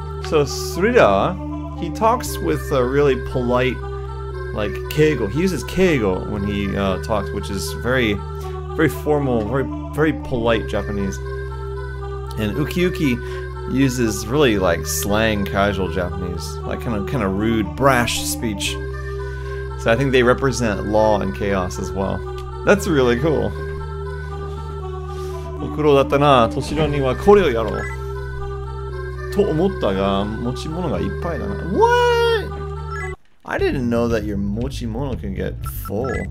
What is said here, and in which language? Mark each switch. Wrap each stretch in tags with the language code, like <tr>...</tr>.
<en>So, Srida, he talks with a really polite, like, 敬語. He uses 敬語 when he talks, which is very, very formal, very, very polite Japanese. And Ukiyuki... uses really like slang casual Japanese, like kind of rude, brash speech. So I think they represent law and chaos as well. That's really cool.</en> <ja>お苦労だったな、トシロにはこれをやろう。と思ったが、持ち物がいっぱいだな。</ja> <en>What? I didn't know that your 持ち物 can get full.</en>